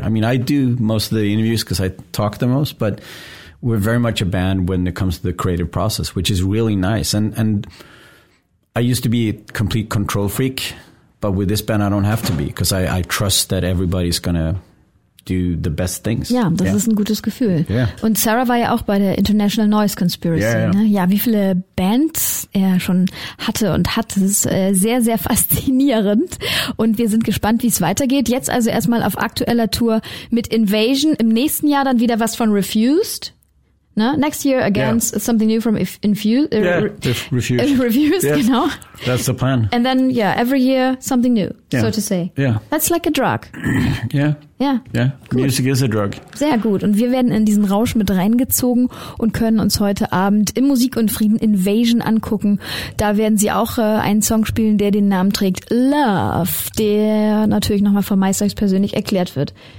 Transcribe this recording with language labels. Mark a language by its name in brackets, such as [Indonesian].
[English] I mean, I do most of the interviews because I talk the most, but we're very much a band when it comes to the creative process, which is really nice. And I used to be a complete control freak, but with this band, I don't have to be because I trust that everybody's going to do the best things. [German] Ja, das ist ein gutes Gefühl. [English] Yeah. [German] Und Sarah war ja auch bei der International Noise Conspiracy. [English] Yeah, yeah. [German] Ne? Ja, wie viele Bands er schon hatte und hat, das ist sehr, sehr faszinierend. Und wir sind gespannt, wie es weitergeht. Jetzt also erstmal auf aktueller Tour mit Invasion. Im nächsten Jahr dann wieder was von Refused. Ne? [English] Next year again, something new from Refused. Yeah. [German] Genau. [English] That's the plan. And then, yeah, every year, something new, so to say. Yeah. That's like a drug. Yeah. [German] Gut. [English] Music is a drug. [German] Sehr gut. Und wir werden in diesen Rausch mit reingezogen und können uns heute Abend im Musik und Frieden Invasion angucken. Da werden sie auch einen Song spielen, der den Namen trägt Love, der natürlich nochmal von Meisterx persönlich erklärt wird.